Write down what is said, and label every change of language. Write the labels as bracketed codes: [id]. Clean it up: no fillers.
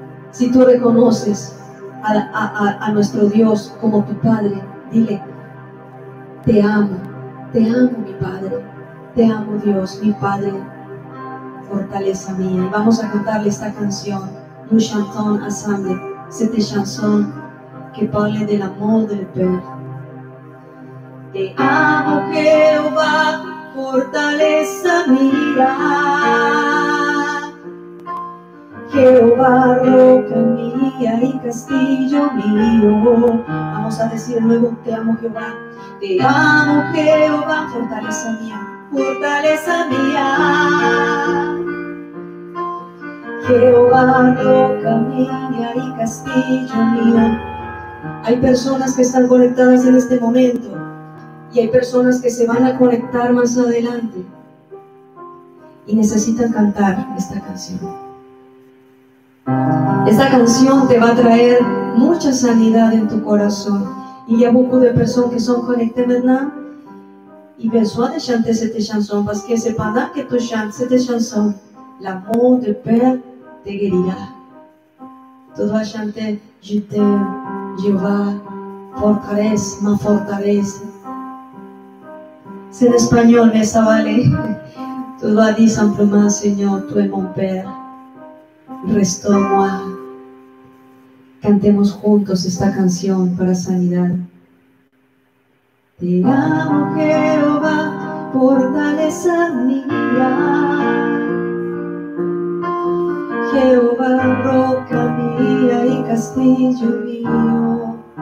[es] Si tú reconoces a nuestro Dios como tu Padre, dile: te amo mi Padre, te amo Dios, mi Padre, fortaleza mía. Vamos a cantarle esta canción, [fr] Nous chantons ensemble. Cette chanson qui parle de l'amour du Père. [es] Te amo, Jehová, fortaleza mía. Jehová, roca mía y castillo mío. Vamos a decir de nuevo: te amo, Jehová. Te amo, Jehová, fortaleza mía. Fortaleza mía. Jehová, roca mía y castillo mío. Hay personas que están conectadas en este momento y hay personas que se van a conectar más adelante y necesitan cantar esta canción. Esta canción te va a traer mucha sanidad en tu corazón. Y ya [fr] beaucoup de personas que son conectadas, [es] ¿no? [fr] Il besoin de chanter cette chanson parce que c'est pendant que tu chantes cette chanson, l'amour du Père te guérira. Tu dois chanter Je t'aime, Jéhovah, forteresse, ma forteresse. C'est en espagnol, mais ça va aller. Tu dois dire simplement [es] Seigneur, [fr] tu es mon Père, restaure-moi. [es] Cantemos juntos esta canción para sanidad. Te amo, Jehová, fortaleza mía. Jehová, roca mía y castillo mío.